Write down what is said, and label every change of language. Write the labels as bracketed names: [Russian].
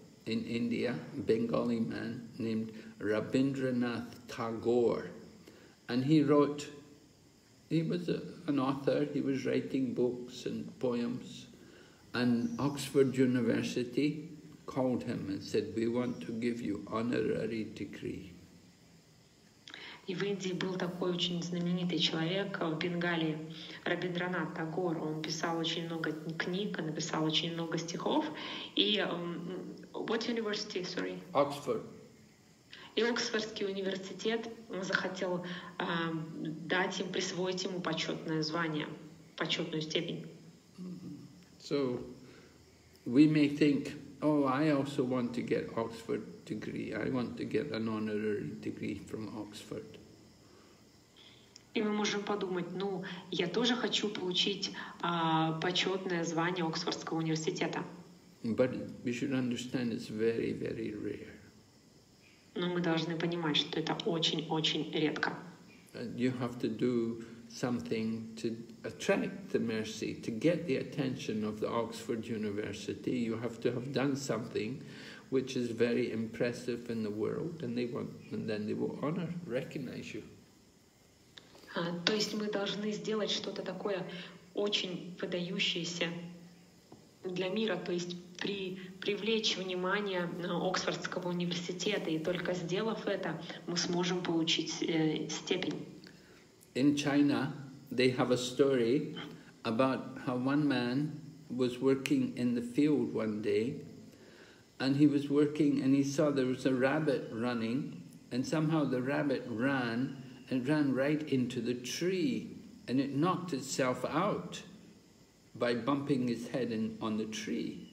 [English] in India, Bengali man named Rabindranath Tagore. And he wrote, he was an author, he was writing books and poems. And Oxford University called him and said, we want to give you honorary degree. [Russian] И в Индии был такой очень знаменитый человек, в Бенгалии, Рабиндранат Тагор. Он писал очень много книг, написал очень много стихов. [English] И what university, sorry? Oxford. [Russian] И Оксфордский университет захотел дать им, присвоить ему почетное звание, почетную степень. [English] So, we may think, oh, I also want to get Oxford degree. I want to get an honorary degree from Oxford. [Russian] И мы можем подумать, ну, я тоже хочу получить почетное звание Оксфордского университета. [English] But we should understand it's very, very rare. [Russian] Но мы должны понимать, что это очень-очень редко. [English] You have to do something to attract the mercy, to get the attention of the Oxford University. You have to have done something which is very impressive in the world, and they want, and then they will honor, recognize you. [Russian] То есть мы должны сделать что-то такое очень выдающееся для мира, то есть привлечь внимание Оксфордского университета, и только сделав это, мы сможем получить степень. [English] In China, they have a story about how one man was working in the field one day, and he was working and he saw there was a rabbit running, and somehow the rabbit ran and ran right into the tree, and it knocked itself out by bumping his head in, on the tree.